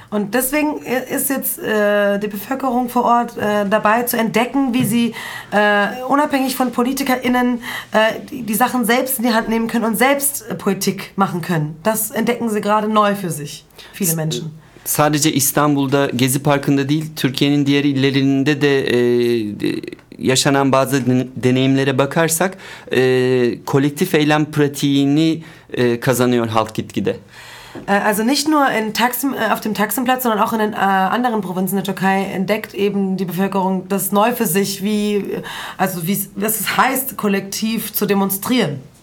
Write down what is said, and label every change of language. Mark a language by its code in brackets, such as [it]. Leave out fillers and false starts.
[de] Und deswegen ist jetzt die Bevölkerung vor Ort dabei zu entdecken, wie sie unabhängig von PolitikerInnen die Sachen selbst in die Hand nehmen können und selbst Politik machen können. Das entdecken sie gerade neu für sich, viele Menschen. [tr] Sadece İstanbul'da Gezi Parkı'nda değil, Türkiye'nin diğer illerinde de yaşanan bazı deneyimlere bakarsak kolektif eylem pratiğini kazanıyor halk gitgide. [de] Also nicht nur in Taksim, auf dem Taksimplatz, sondern auch in den anderen Provinzen der Türkei entdeckt eben die Bevölkerung das neu für sich, wie also wie was es heißt kollektiv zu demonstrieren.